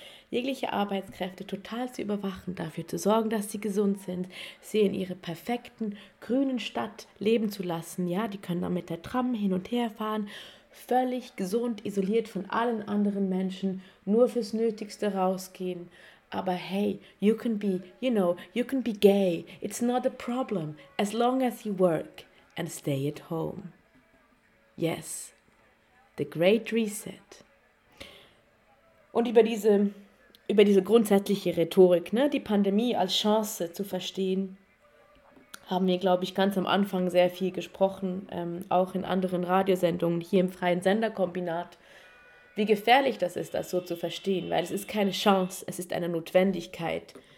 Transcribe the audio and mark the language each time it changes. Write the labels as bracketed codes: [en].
[de] Jegliche Arbeitskräfte total zu überwachen, dafür zu sorgen, dass sie gesund sind, sie in ihrer perfekten grünen Stadt leben zu lassen. Ja, die können dann mit der Tram hin und her fahren, völlig gesund, isoliert von allen anderen Menschen, nur fürs Nötigste rausgehen. [en] Aber hey, you can be, you know, you can be gay. It's not a problem, as long as you work and stay at home. Yes, the Great Reset. [de] Und über diese grundsätzliche Rhetorik, ne, die Pandemie als Chance zu verstehen, haben wir, glaube ich, ganz am Anfang sehr viel gesprochen, auch in anderen Radiosendungen, hier im freien Senderkombinat, wie gefährlich das ist, das so zu verstehen, weil es ist keine Chance, es ist eine Notwendigkeit.